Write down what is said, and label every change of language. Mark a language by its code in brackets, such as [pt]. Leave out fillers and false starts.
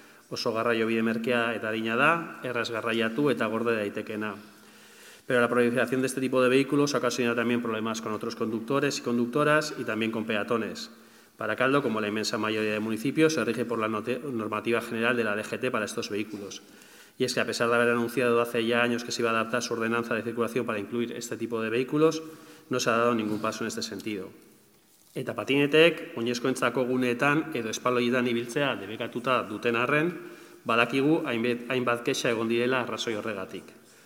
[eu] Oso garraio bide merkea eta arina da, erraz garraiatu eta gorde daitekena. [es] Pero la proliferación de este tipo de vehículos ha ocasionado también problemas con otros conductores y conductoras y también con peatones. Para Caldo, como la inmensa mayoría de municipios, se rige por la normativa general de la DGT para estos vehículos. Y es que, a pesar de haber anunciado hace ya años que se iba a adaptar su ordenanza de circulación para incluir este tipo de vehículos, no se ha dado ningún paso en este sentido. [eu] Eta patinetek, oinezkoentzako guneetan edo espaloietan ibiltzea debekatuta duten arren, badakigu hainbat kexa egon direla arrazoi horregatik.